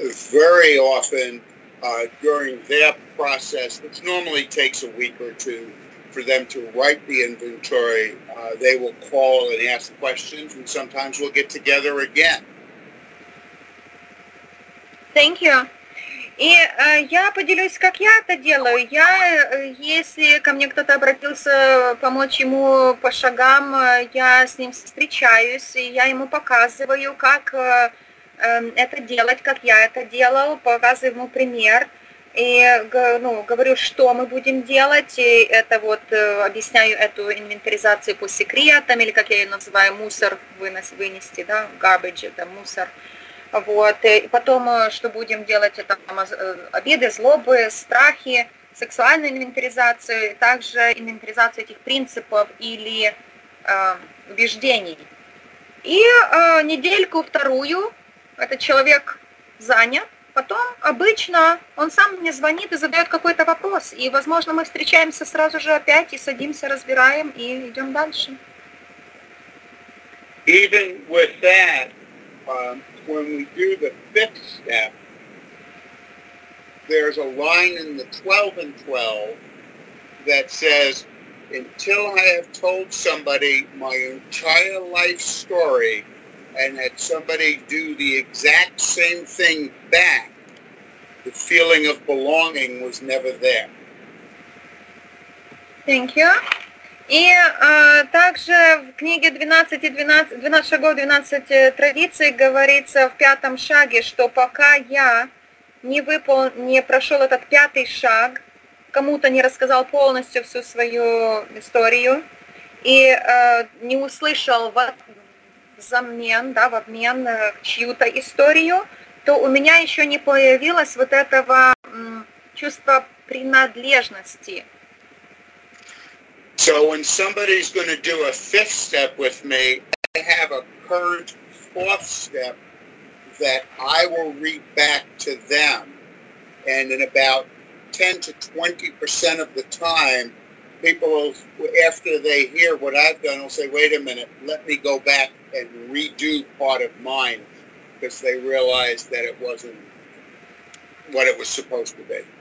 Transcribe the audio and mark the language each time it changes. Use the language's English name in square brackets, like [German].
[English] Very often during their process, which normally takes a week or two for them to write the inventory, they will call and ask questions, and sometimes we'll get together again. Thank you. [Russian] И я поделюсь, как я это делаю. Я, если ко мне кто-то обратился помочь ему по шагам, я с ним встречаюсь, и я ему показываю, как это делать, как я это делал, показываю ему пример. И ну, говорю, что мы будем делать, и это вот объясняю эту инвентаризацию по секретам, или как я ее называю, мусор вынести, да, garbage, это мусор. Вот, и потом, что будем делать, это обиды, злобы, страхи, сексуальную инвентаризацию, также инвентаризацию этих принципов или убеждений. И недельку вторую этот человек занят, потом обычно он сам мне звонит и задает какой-то вопрос, и, возможно, мы встречаемся сразу же опять и садимся, разбираем и идем дальше. [English] Even with that, when we do the fifth step, there's a line in the 12 and 12 that says, until I have told somebody my entire life story and had somebody do the exact same thing back, the feeling of belonging was never there. Thank you. [Russian] И также в книге 12 и 12, 12 шагов, 12 традиций говорится в пятом шаге, что пока я не прошел этот пятый шаг, кому-то не рассказал полностью всю свою историю и не услышал взамен, да, в обмен чью-то историю, то у меня еще не появилось вот этого чувства принадлежности. [English] So when somebody's going to do a fifth step with me, I have a current fourth step that I will read back to them. And in about 10 to 20% of the time, people, after they hear what I've done, will say, wait a minute, let me go back and redo part of mine, because they realize that it wasn't what it was supposed to be.